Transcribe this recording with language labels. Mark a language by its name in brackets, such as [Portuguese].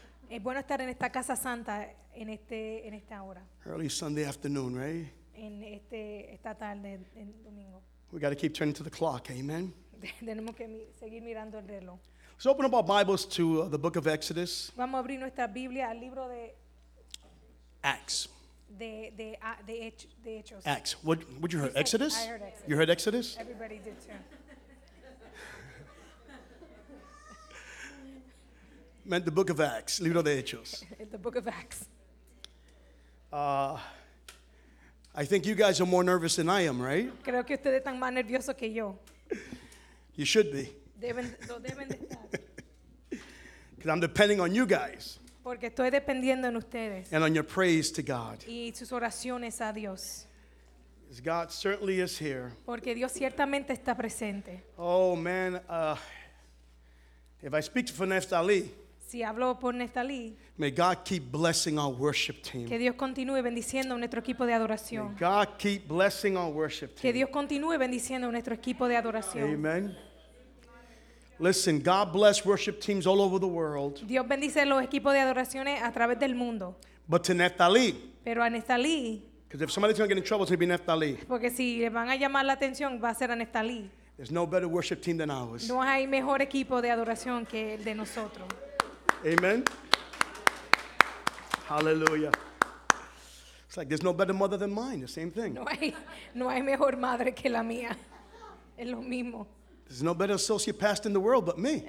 [Spanish] Es bueno estar en esta casa santa en esta hora. [English] Early Sunday afternoon, right? [Spanish] En esta tarde, en domingo. [English] We got to keep turning to the clock, amen. [Spanish] Tenemos que seguir mirando el reloj. [English] So open up our Bibles to the book of Exodus. [Spanish] Vamos a abrir nuestra Biblia al libro de [English] Acts. [Spanish] De [English] Acts. What you heard? Exodus? I heard Exodus. You heard Exodus? Everybody did too. Meant the book of Acts, [Spanish] libro de Hechos. [English] The book of Acts. I think you guys are more nervous than I am, right? [Spanish] Creo que ustedes están más nerviosos que yo. [English] You should be. [Spanish] Deben estar. [English] Because I'm depending on you guys. [Spanish] Porque estoy dependiendo en ustedes. [English] And on your praise to God. [Spanish] Y sus oraciones a Dios. [English] God certainly is here. [Spanish] Porque Dios ciertamente está presente. [English] Oh man, if I speak for Neftali. [Spanish] Si hablo por Neftali. [English] May God keep blessing our worship team. [Spanish] Que Dios continúe bendiciendo a nuestro equipo de adoración. [English] May God keep blessing our worship team. [Spanish] Que Dios continúe bendiciendo a nuestro equipo de adoración. [English] Amen. Listen, God bless worship teams all over the world. [Spanish] Dios bendice los equipos de adoraciones a través del mundo. [English] But to Neftali. [Spanish] Pero a Neftali. [English] Because if somebody's going to get in trouble, it's going to be Neftali. [Spanish] Porque si le van a llamar la atención, va a ser a Neftali. [English] There's no better worship team than ours. [Spanish] No hay mejor equipo de adoración que el de nosotros. [English] Amen. Hallelujah. It's like there's no better mother than mine. The same thing. [Spanish] No hay mejor madre que la mía. Es lo mismo. [English] There's no better associate pastor in the world but me.